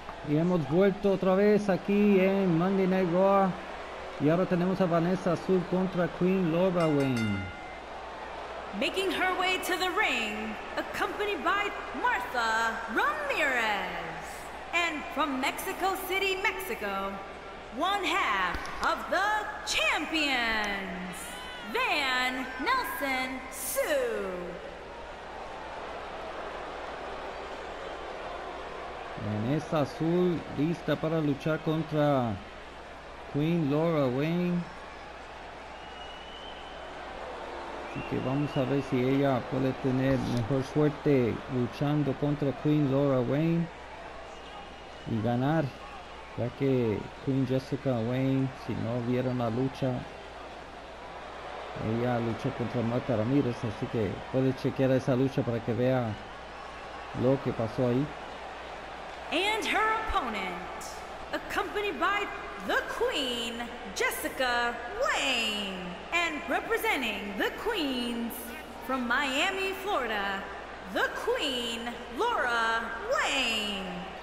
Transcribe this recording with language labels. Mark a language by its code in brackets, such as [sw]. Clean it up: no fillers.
[es] Y hemos vuelto otra vez aquí en Monday Night Raw. Y ahora tenemos a Vanessa Zul contra Queen Lora Wayne. [en] Making her way to the ring, accompanied by Martha Ramirez. And from Mexico City, Mexico, one half of the champions, Van Nelson Sue. [es] Vanessa Zul lista para luchar contra Queen Lora Wayne. Así que vamos a ver si ella puede tener mejor suerte luchando contra Queen Lora Wayne y ganar, ya que Queen Jessica Wayne, si no vieron la lucha, ella luchó contra Martha Ramirez, así que puede chequear esa lucha para que vea lo que pasó ahí. [en] And her opponent, accompanied by the Queen, Jessica Wayne, and representing the Queens from Miami, Florida, the Queen, Lora Wayne.